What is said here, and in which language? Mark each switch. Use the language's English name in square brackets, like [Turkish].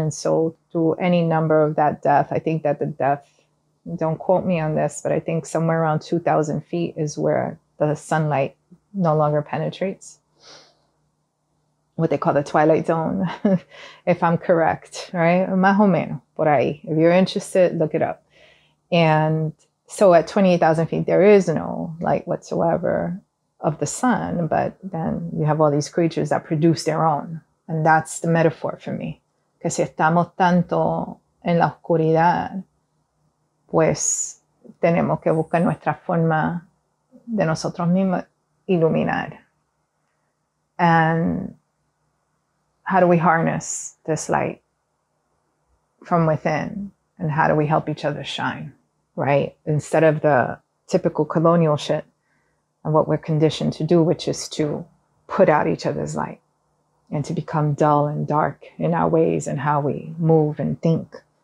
[English] And so through any number of that depth, I think that the depth, don't quote me on this, but I think somewhere around 2,000 feet is where the sunlight no longer penetrates, what they call the twilight zone, if I'm correct, right? [Spanish] Más o menos, por ahí. [English] If you're interested, look it up. And so at 28,000 feet, there is no light whatsoever of the sun, but then you have all these creatures that produce their own. And that's the metaphor for me. [Spanish] Que si estamos tanto en la oscuridad, pues tenemos que buscar nuestra forma de nosotros mismos. Illuminar. [English] And how do we harness this light from within? And how do we help each other shine, right? Instead of the typical colonial shit and what we're conditioned to do, which is to put out each other's light and to become dull and dark in our ways and how we move and think.